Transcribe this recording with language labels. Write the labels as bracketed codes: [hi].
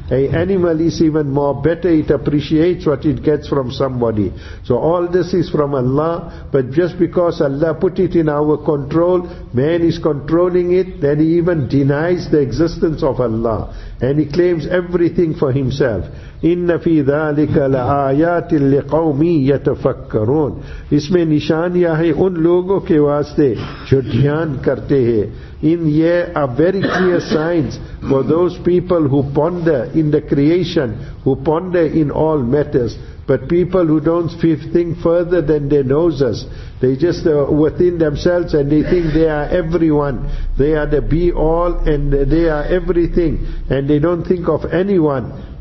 [en] An animal is even more better, it appreciates what it gets from somebody. So all this is from Allah, but just because Allah put it in our control, man is controlling it, then he even denies the existence of Allah. And he claims everything for himself. [ar] إِنَّ فِي ذَلِكَ لَآيَاتٍ لِقَوْمِ يَتَفَكَّرُونَ [ur] اس میں نشانیاں ہیں ان لوگوں کے واسطے جو دھیان کرتے ہیں. [en] In here are very clear signs for those people who ponder in the creation, who ponder in all matters. But people who don't think further than their noses, they just within themselves and they think they are everyone. They are the be all and they are everything. And they don't think of anyone.